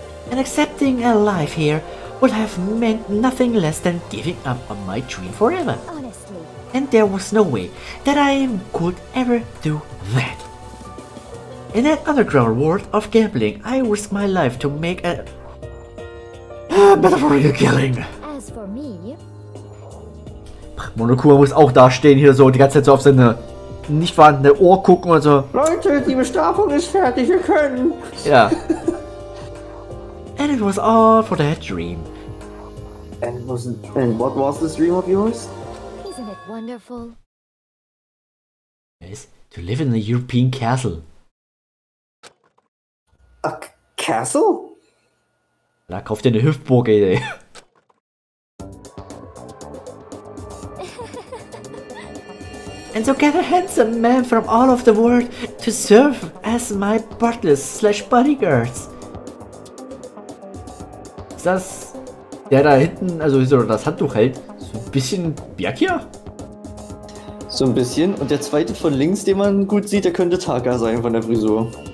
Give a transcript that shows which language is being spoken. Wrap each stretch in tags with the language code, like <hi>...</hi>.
<en>And accepting a life here would have meant nothing less than giving up on my dream forever. Honestly. And there was no way that I could ever do that. In that underground world of gambling, I risked my life to make a better for your killing. As for me,</en> <de>Monokuma muss auch da stehen hier so die ganze Zeit so auf seine nicht vorhandene Ohr gucken und so. Leute, die Bestrafung ist fertig, wir können. Ja.</de> <en>And it was all for that dream. And what was this dream of yours? Isn't it wonderful? Yes, to live in a European castle. A castle?</en> <de>Da kauft ihr eine Hüftburg, ey.</de> <en>And so get a handsome man from all over the world to serve as my butlers/bodyguards.</en> <de>Das, der da hinten, also so das Handtuch hält, so ein bisschen Biakia? So ein bisschen. Und der zweite von links, den man gut sieht, der könnte Taka sein von der Frisur.</de>